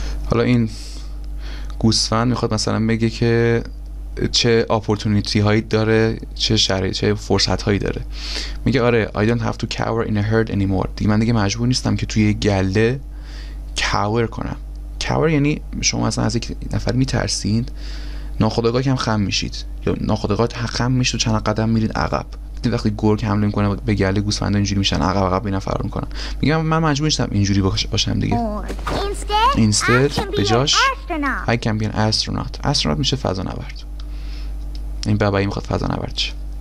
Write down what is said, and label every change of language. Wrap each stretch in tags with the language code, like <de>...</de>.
<fa>حالا این گوسفند میخواد مثلا بگه که چه اپورتونیتی هایی داره، چه شرایط، چه فرصت هایی داره. میگه آره،</fa> <en>I don't have to cower in a herd anymore.</en> <fa>دیگه من دیگه مجبور نیستم که توی گله cower کنم. cower یعنی شما مثلا از یک نفر میترسین، ناخودآگاه هم خم میشید، یا ناخودآگاه خم میشید و چند قدم میرید عقب. وقتی گرگ حمله میکنه به گله گوسفند اینجوری میشن عقب عقب اینا فرار میکنن. میگم من مجبور نیستم اینجوری باشم دیگه.</fa> <en>instead</en> <fa>به جاش</fa> <en>I can be an astronaut.</en> <fa>astronaut میشه فضا نورد. این بابایی میخواد فضا نورد شه.</fa>